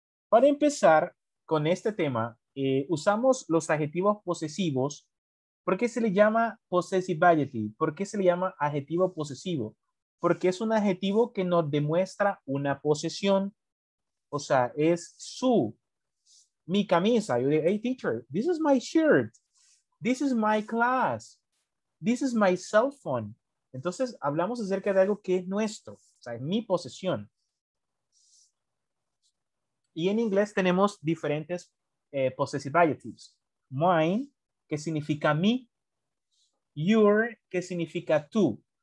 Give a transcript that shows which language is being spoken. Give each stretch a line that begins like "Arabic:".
Spanish: Para empezar con este tema, usamos los adjetivos posesivos. ¿Por qué se le llama possessive adjective? ¿Por qué se le llama adjetivo posesivo? Porque es un adjetivo que nos demuestra una posesión. O sea, es su, mi camisa. Yo digo,
English: hey teacher, this is my shirt. This is my class. This is my cell phone.
Spanish: Entonces, hablamos acerca de algo que es nuestro, o sea, es mi posesión. Y en inglés tenemos diferentes possessive adjectives. Mine, que significa mi. Your, que significa tú.